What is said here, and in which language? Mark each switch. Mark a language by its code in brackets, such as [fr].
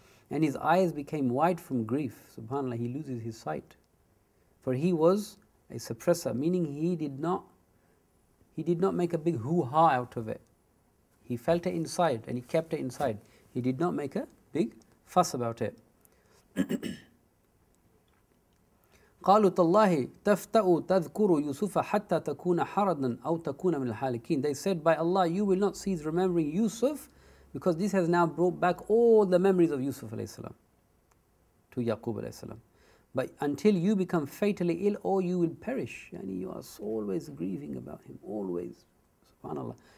[en] And his eyes became wide from grief. SubhanAllah, he loses his sight. For he was a suppressor, meaning he did not make a big hoo-ha out of it. He felt it inside and he kept it inside. He did not make a big fuss about it. [ar] قالوا تالله تفتأ تذكر يوسف حتى تكون حردا أو تكون من الحالكين. [en] They said, by Allah, you will not cease remembering Yusuf, because this has now brought back all the memories of Yusuf alayhi salam to Yaqub alayhi salam. But until you become fatally ill, or you will perish. Yani you are always grieving about him, always. SubhanAllah.